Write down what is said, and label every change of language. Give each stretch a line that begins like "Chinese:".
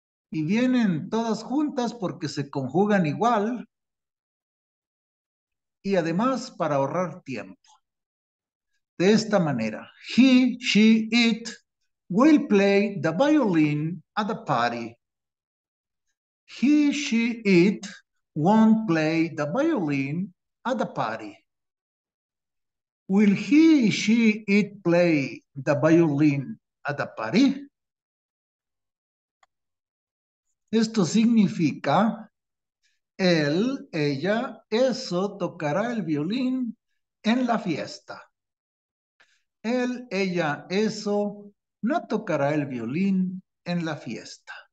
Spanish: Y vienen todas juntas porque se conjugan igual y además para ahorrar tiempo. De esta manera,
English: he, she, it will play the violin at the party. He, she, it won't play the violin at the party. Will he, she, it play the violin at the party?
Spanish: Esto significa, él, ella, eso tocará el violín en la fiesta. Él, ella, eso, no tocará el violín en la fiesta.